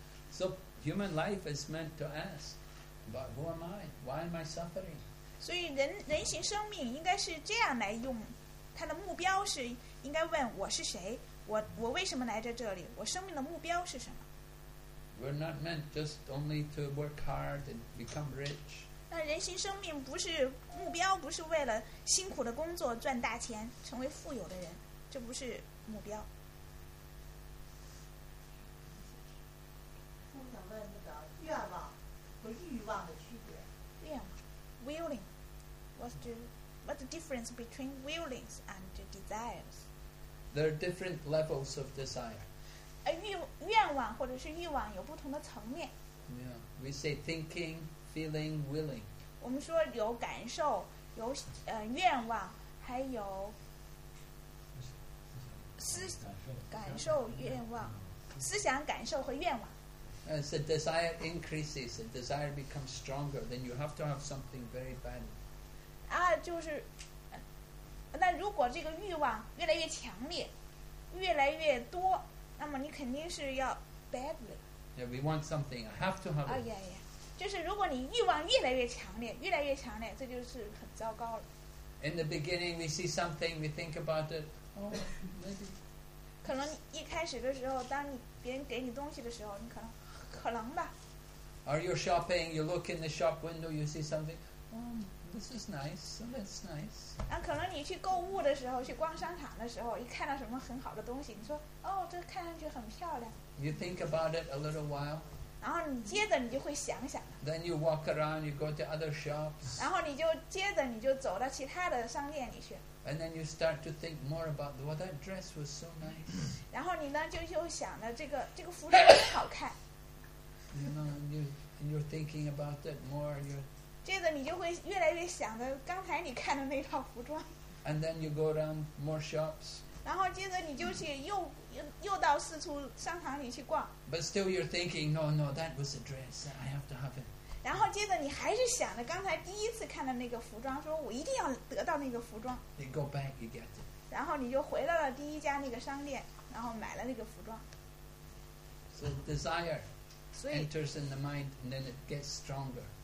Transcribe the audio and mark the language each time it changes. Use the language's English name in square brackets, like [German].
[English] So, human life is meant to ask, but who am I? Why am I suffering? [Chinese] 所以人形生命应该是这样来用它的目标是应该问我是谁 我为什么来在这里我生命的目标是什么 [English] We're not meant just only to work hard and become rich [Chinese] 那人形生命不是目标不是为了辛苦的工作赚大钱成为富有的人这不是目标我想问那个愿望和欲望的区别愿望 [English] Willing. What's the difference between willings and desires? There are different levels of desire. [Chinese] 愿望或者是欲望有不同的层面。 [English] Yeah. We say thinking, feeling, willing. [Chinese] 我们说有感受，有愿望，还有思想、感受和愿望。 [English] As the desire increases, the desire becomes stronger, then you have to have something very bad. [Chinese] 啊，就是，那如果这个欲望越来越强烈，越来越多，那么你肯定是要 [English] badly. Yeah, we want something. I have to have it. 啊，yeah, yeah. [Chinese] 就是如果你欲望越来越强烈，越来越强烈，这就是很糟糕了。 [English] In the beginning, we see something, we think about it. Oh, maybe. [Chinese] 可能一开始的时候，当你别人给你东西的时候，你可能。 [English] Or you're shopping, you look in the shop window, you see something. This is nice. So that's nice. [Chinese] 那可能你去购物的时候，去逛商场的时候，一看到什么很好的东西，你说，哦，这看上去很漂亮。 [English] You think about it a little while. [Chinese] 然后你接着你就会想想。 [English] Then you walk around, you go to other shops. [Chinese] 然后你就接着你就走到其他的商店里去。 [English] And then you start to think more about, well, that dress was so nice. [Chinese] 然后你呢就想着这个服装很好看。 [English] You know, and you're thinking about that more. You're. [Chinese] 接着你就会越来越想着刚才你看的那套服装。 [English] And then you go around more shops. [Chinese] 然后接着你就去又到四处商场里去逛。 [English] But still, you're thinking, no, that was a dress. I have to have it. [Chinese] 然后接着你还是想着刚才第一次看的那个服装，说我一定要得到那个服装。 [English] You go back, you get it. [Chinese] 然后你就回到了第一家那个商店，然后买了那个服装。 [English] So desire enters in the mind, and then it gets stronger.